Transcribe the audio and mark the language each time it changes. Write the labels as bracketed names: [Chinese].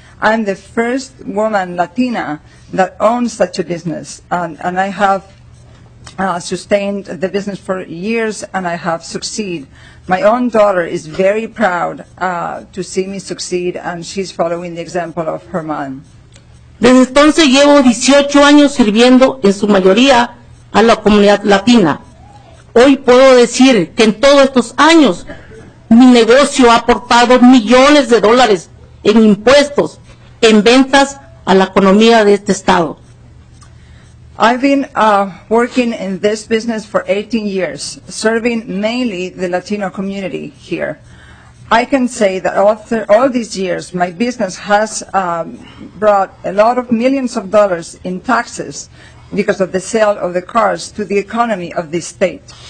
[English] I'm the first woman, Latina, that owns such a business, and I have sustained the business for years, and I have succeeded. My own daughter is very proud to see me succeed, and she's following the example of her mom. [Spanish] Desde entonces llevo 18 años sirviendo en su mayoría a la comunidad latina. Hoy puedo decir que en todos estos años mi negocio ha aportado millones de dólares en impuestos, en ventas a la economía de este estado. [English] I've been working in this business for 18 years, serving mainly the Latino community here. I can say that after all these years, my business has brought a lot of millions of dollars in taxes because of the sale of the cars to the economy of this state.